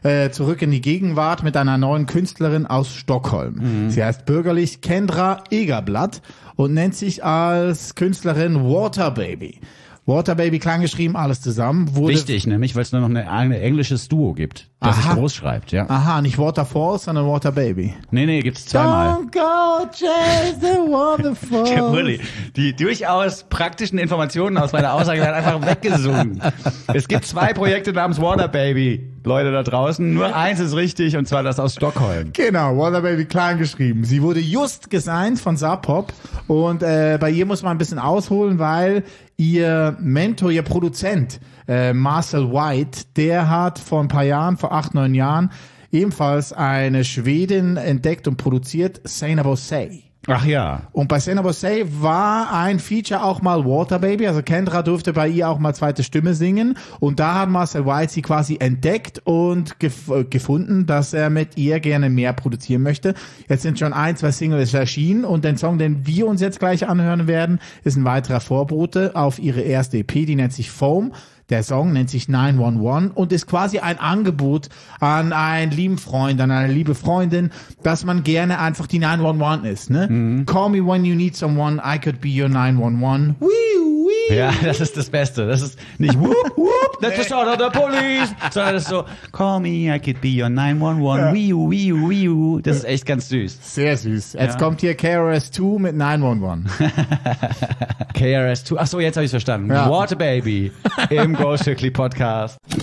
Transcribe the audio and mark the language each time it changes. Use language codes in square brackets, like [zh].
[de] Zurück in die Gegenwart mit einer neuen Künstlerin aus Stockholm. Mhm. Sie heißt bürgerlich Kendra Egerblatt und nennt sich als Künstlerin Waterbaby. Waterbaby klein geschrieben, alles zusammen. Wurde wichtig, nämlich, weil es nur noch ein englisches Duo gibt, das sich groß schreibt. Ja. Aha, nicht Waterfalls, sondern Waterbaby. Nee, gibt es zweimal. [en] Don't go chase the waterfalls. [de] Ja, really, die durchaus praktischen Informationen aus meiner Aussage werden einfach weggesungen. Es gibt zwei Projekte namens Waterbaby, Leute da draußen. Nur eins ist richtig, und zwar das aus Stockholm. Genau, Waterbaby klein geschrieben. Sie wurde just gesigned von Sub Pop. Und bei ihr muss man ein bisschen ausholen, weil ihr Mentor, ihr Produzent, Marcel White, der hat vor ein paar Jahren, vor 8, 9 Jahren, ebenfalls eine Schwedin entdeckt und produziert, Sane About Say. Ach ja. Und bei Sane About Say war ein Feature auch mal Waterbaby, also Kendra durfte bei ihr auch mal zweite Stimme singen. Und da hat Marcel White sie quasi entdeckt und gefunden, dass er mit ihr gerne mehr produzieren möchte. Jetzt sind schon 1, 2 Singles erschienen und den Song, den wir uns jetzt gleich anhören werden, ist ein weiterer Vorbote auf ihre erste EP, die nennt sich Foam. Der Song nennt sich 911 und ist quasi ein Angebot an einen lieben Freund, an eine liebe Freundin, dass man gerne einfach die 911 ist. Ne? Mhm. [en] Call me when you need someone, I could be your 911. [de] Wee, wee. Ja, das ist das Beste. Das ist nicht [en] whoop, whoop, that's the shot of the police, [de] sondern das ist so, [en] call me, I could be your 911. [de] Ja. Wee, wee, wee, wee. Das ist echt ganz süß. Sehr süß. Jetzt ja. kommt hier KRS-II mit 911. KRS-II. Achso, jetzt habe ich es verstanden. Ja. Water Baby im Goldstückli Podcast.